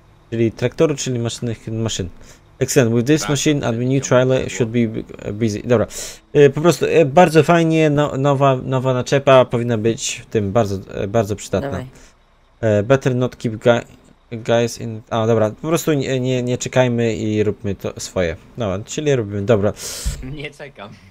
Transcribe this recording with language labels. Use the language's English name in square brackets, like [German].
[Polish] Czyli traktoru, czyli maszyn. [English] Excellent. With this machine and new trailer should be busy. [Polish] Dobra. Po prostu bardzo fajnie, nowa naczepa powinna być w tym bardzo, bardzo przydatna. [English] Better not keep guys in. [Polish] A, dobra, po prostu nie czekajmy i róbmy to swoje. No, czyli robimy, dobra. Nie czekam.